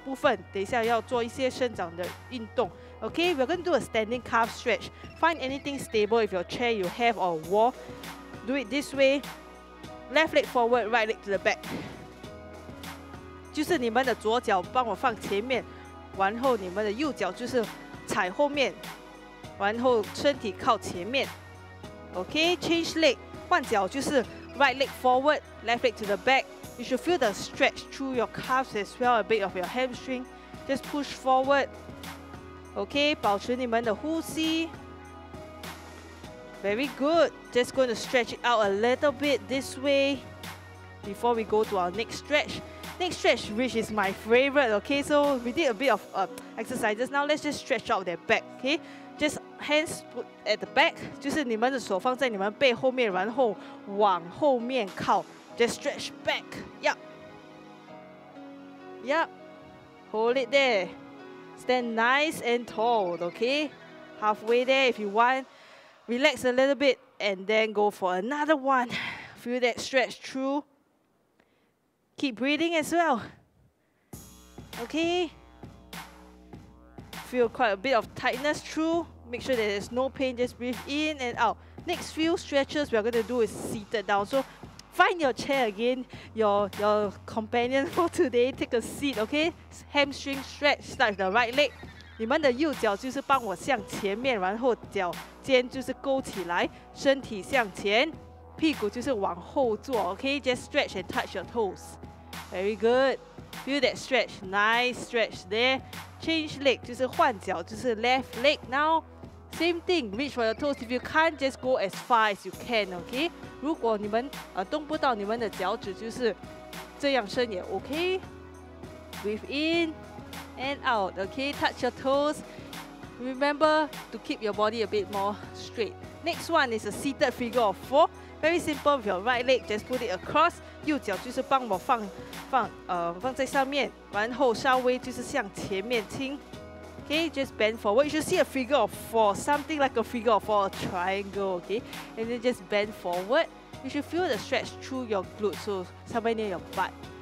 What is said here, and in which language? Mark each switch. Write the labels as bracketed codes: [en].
[zh] 就是小腿的肌肉就是这边这部分，等一下要做一些伸展的运动. [en] Okay, we're going to do a standing calf stretch. Find anything stable, if your chair you have or wall. Do it this way. Left leg forward, right leg to the back. [zh] 就是你们的左脚帮我放前面，然后你们的右脚就是踩后面，然后身体靠前面. [en] Okay, change leg. [zh] 换脚就是 [en] right leg forward, left leg to the back. You should feel the stretch through your calves as well, a bit of your hamstring. Just push forward. Okay, [zh] 保持你们的呼吸. [en] Very good. Just going to stretch it out a little bit this way before we go to our next stretch. Next stretch, which is my favorite, okay? So we did a bit of exercises. Now let's just stretch out their back, okay? Just hands put at the back. [zh] 就是你们的手放在你们背后面, 然后往后面靠. [en] Just stretch back. Yup. Yup. Hold it there. Stand nice and tall, okay? Halfway there if you want. Relax a little bit and then go for another one. Feel that stretch through. Keep breathing as well. Okay? Feel quite a bit of tightness through. Make sure that there's no pain, just breathe in and out. Next few stretches we are going to do is seated down. So find your chair again, your companion for today. Take a seat, okay? Hamstring stretch, start with the right leg. [zh] 你们的右脚就是帮我向前面，然后脚尖就是勾起来，身体向前，屁股就是往后坐, okay? [en] Just stretch and touch your toes. Very good. Feel that stretch, nice stretch there. Change leg, [zh] 就是换脚, 就是 [en] left leg now. Same thing, reach for your toes. If you can't, just go as far as you can, okay? [zh] 如果你们动不到你们的脚趾，就是这样伸也 OK. [en] Breathe in and out, okay? Touch your toes. Remember to keep your body a bit more straight. Next one is a seated figure of four. Very simple, with your right leg, just put it across. [zh] 右脚就是帮我放在上面，然后稍微就是向前面倾。 [en] Okay, just bend forward. You should see a figure of four, something like a figure of four, a triangle, okay? And then just bend forward. You should feel the stretch through your glutes, so somewhere near your butt.